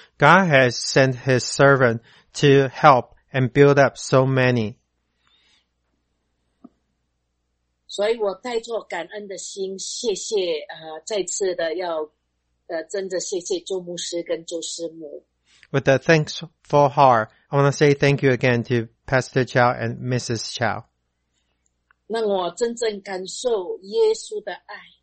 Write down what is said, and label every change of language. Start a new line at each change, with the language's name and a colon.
English: God has sent his servant to help and build up so many.
Chinese: 所以我带着感恩的心，谢谢再次的要真的谢谢周牧师跟周师母。
English: With a thankful heart, I want to say thank you again to Pastor Chow and Mrs. Chow.
Chinese: 让我真正感受耶稣的爱。